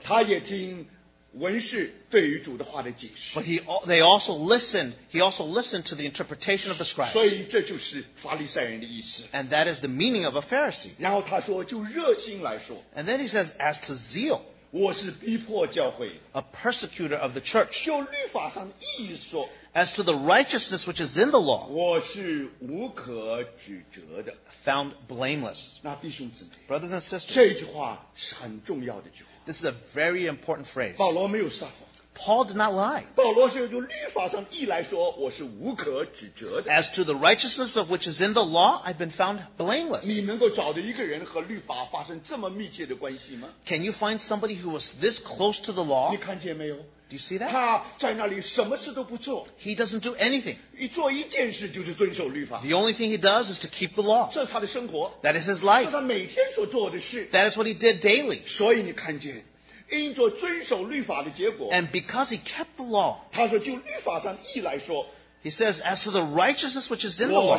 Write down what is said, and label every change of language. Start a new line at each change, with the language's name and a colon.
Chinese: 他也听文士对于主的话的解释。
English: But he also listened to the interpretation of the scribes.
Chinese: 所以这就是法利赛人的意思。
English: And that is the meaning of a Pharisee.
Chinese: 然后他说，就热心来说。
English: And then he says, as to zeal.
Chinese: 我是逼迫教会。
English: A persecutor of the church.
Chinese: 就律法上的意义说。
English: As to the righteousness which is in the law.
Chinese: 我是无可指责的。
English: Found blameless.
Chinese: 那弟兄姊妹。
English: Brothers and sisters.
Chinese: 这句话是很重要的句话。
English: This is a very important phrase.
Chinese: 保罗没有撒谎。
English: Paul did not lie.
Chinese: 保罗是用律法上意来说，我是无可指责的。
English: As to the righteousness of which is in the law, I've been found blameless.
Chinese: 你能够找到一个人和律法发生这么密切的关系吗？
English: Can you find somebody who was this close to the law?
Chinese: 你看见没有？
English: Do you see that?
Chinese: 他在那里什么事都不做。
English: He doesn't do anything.
Chinese: 一做一件事就是遵守律法。
English: The only thing he does is to keep the law.
Chinese: 这是他的生活。
English: That is his life.
Chinese: 这是他每天所做的事。
English: That is what he did daily.
Chinese: 所以你看见。因着遵守律法的结果。
English: And because he kept the law.
Chinese: 他说就律法上义来说。
English: He says, as to the righteousness which is in the law.